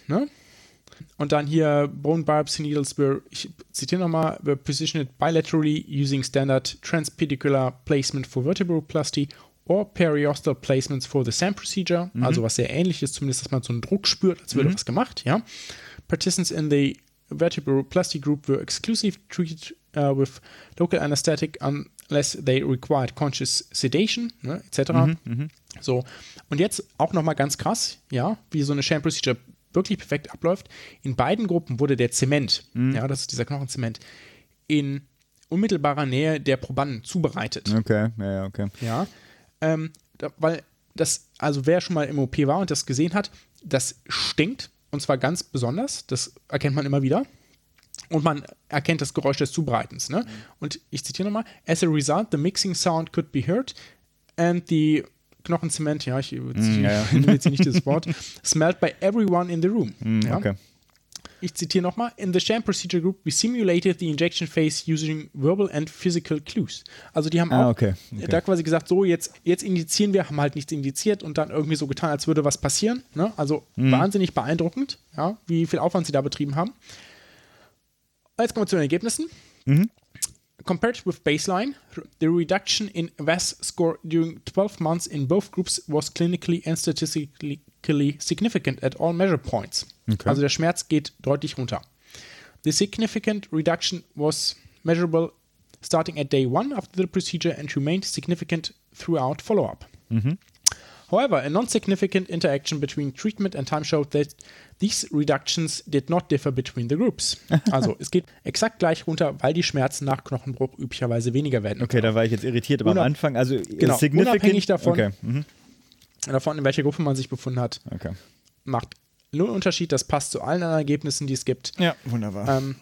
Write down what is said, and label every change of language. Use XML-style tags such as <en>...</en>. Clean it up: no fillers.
<de>Ne? Und dann hier</de> <en>Bone Biopsy Needles were,</en> <de>ich zitiere nochmal,</de> <en>were positioned bilaterally using standard transpedicular placement for vertebroplasty or periosteal placements for the same procedure. Mm-hmm.</en> <de>Also was sehr ähnlich ist, zumindest, dass man so einen Druck spürt, als würde was gemacht. Ja.</de> <en>Participants in the vertebroplasty group were exclusively treated with local anesthetic unless they required conscious sedation, ne, etc.</en> <de>So, und jetzt auch nochmal ganz krass, ja, wie so eine Sham Procedure wirklich perfekt abläuft. In beiden Gruppen wurde der Zement, ja, das ist dieser Knochenzement, in unmittelbarer Nähe der Probanden zubereitet. Okay, ja, okay. Ja, weil das, also wer schon mal im OP war und das gesehen hat, das stinkt. Und zwar ganz besonders, das erkennt man immer wieder. Und man erkennt das Geräusch des Zubereitens. Ne? Und ich zitiere nochmal,</de> <en>as a result, the mixing sound could be heard and the Knochenzement,</en> <de>ja, ich nehme jetzt hier nicht dieses Wort,</de> <en>smelled by everyone in the room.</en> <de>Ja? Okay. Ich zitiere nochmal,</de> <en>in the sham procedure group, we simulated the injection phase using verbal and physical clues.</en> <de>Also die haben okay. da quasi gesagt, so jetzt injizieren wir, haben halt nichts injiziert und dann irgendwie so getan, als würde was passieren. Ne? Also wahnsinnig beeindruckend, ja, wie viel Aufwand sie da betrieben haben. Jetzt kommen wir zu den Ergebnissen.</de> <en>Compared with baseline, the reduction in VAS score during 12 months in both groups was clinically and statistically significant at all measure points.</en> <de>Okay. Also der Schmerz geht deutlich runter.</de> <en>The significant reduction was measurable starting at day one after the procedure and remained significant throughout follow-up. However, a non-significant interaction between treatment and time showed that these reductions did not differ between the groups.</en> <de>Also es geht exakt gleich runter, weil die Schmerzen nach Knochenbruch üblicherweise weniger werden. Okay, da war ich jetzt irritiert, aber am Anfang, also genau,</de> <en>significant,</en> <de>unabhängig davon, okay. Davon, in welcher Gruppe man sich befunden hat, okay. macht null Unterschied. Das passt zu allen anderen Ergebnissen, die es gibt. Ja, wunderbar.</de>